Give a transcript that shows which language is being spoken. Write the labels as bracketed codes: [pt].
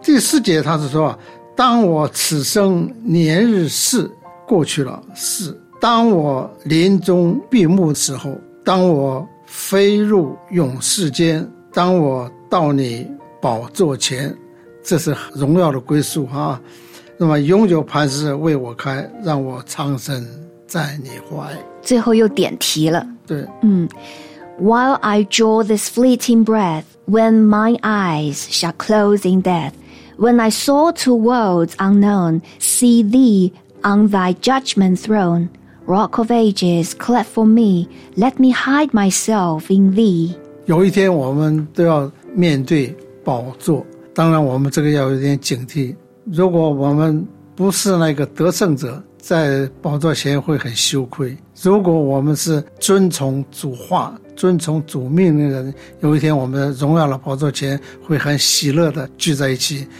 [zh] 第四节他是说，当我此生年日是过去了，是当我临终闭目时候，当我飞入永世间，当我到你宝座前，这是荣耀的归宿啊！那么永久磐石为我开，让我长生在你怀。最后又点题了。对， [en] While I draw this fleeting breath, when my eyes shall close in death, when I soar to worlds unknown, see thee on thy judgment throne, Rock of ages, cleft for me, let me hide myself in thee. [zh] 有一天我们都要面对宝座，当然我们这个要有点警惕，如果我们不是那个得胜者，在宝座前会很羞愧，如果我们是遵从主话遵从主命令的人，有一天我们荣耀了宝座前会很喜乐的聚在一起。